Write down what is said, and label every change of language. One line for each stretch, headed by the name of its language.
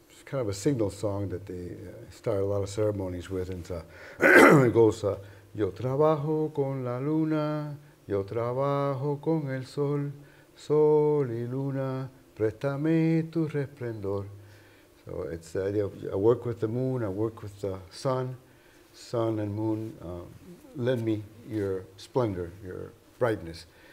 English: kind of a signal song that they start a lot of ceremonies with. And it goes,
Spanish: yo trabajo con la luna, yo trabajo con el sol, sol y luna, préstame tu resplendor.
English: So it's the idea of, I work with the moon, I work with the sun, sun and moon, lend me your splendor, your brightness.